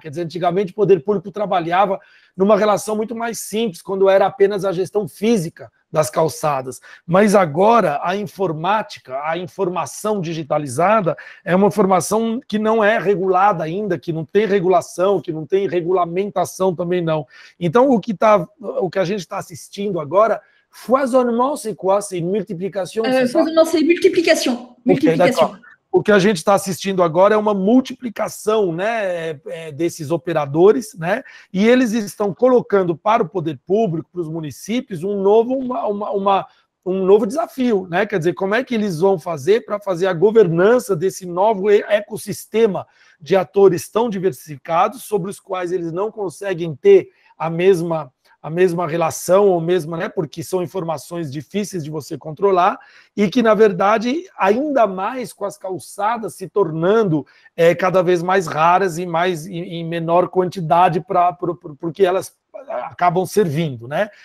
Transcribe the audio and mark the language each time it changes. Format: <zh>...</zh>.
<pt>Quer dizer, antigamente o poder público trabalhava numa relação muito mais simples, quando era apenas a gestão física das calçadas. Mas agora a informática, a informação digitalizada, é uma informação que não é regulada ainda, que não tem regulação, que não tem regulamentação também não. Então, o que a gente está assistindo agora...</pt> <fr>Foisonnement, c'est quoi? C'est une multiplication? Foisonnement, c'est multiplication. Okay, d'accord.</fr> <pt>O que a gente está assistindo agora é uma multiplicação, né, desses operadores, né, e eles estão colocando para o poder público, para os municípios, um novo desafio, né? Quer dizer, como é que eles vão fazer para fazer a governança desse novo ecossistema de atores tão diversificados, sobre os quais eles não conseguem ter a mesma relação, ou mesmo, né, porque são informações difíceis de você controlar, e que, na verdade, ainda mais com as calçadas se tornando cada vez mais raras e mais em menor quantidade porque elas acabam servindo, né?</pt>